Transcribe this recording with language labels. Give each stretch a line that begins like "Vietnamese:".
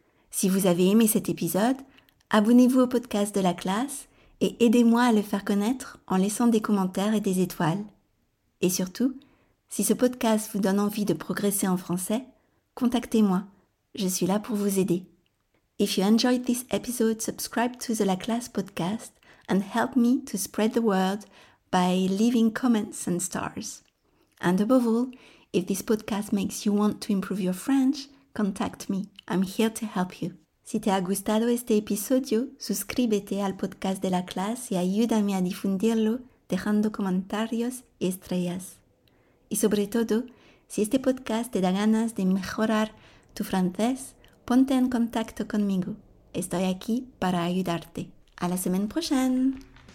French: Si vous avez aimé cet épisode, abonnez-vous au podcast de la classe et aidez-moi à le faire connaître en laissant des commentaires et des étoiles. Et surtout, si ce podcast vous donne envie de progresser en français, contactez-moi, je suis là pour vous aider.
English: If you enjoyed this episode, subscribe to the La Classe podcast and help me to spread the word by leaving comments and stars. And above all, if this podcast makes you want to improve your French, contact me. I'm here to help you.
Spanish: Si te ha gustado este episodio, suscríbete al podcast de la clase y ayúdame a difundirlo dejando comentarios y estrellas. Y sobre todo, si este podcast te da ganas de mejorar tu francés, ponte en contacto conmigo. Estoy aquí para ayudarte. ¡A la semana próxima!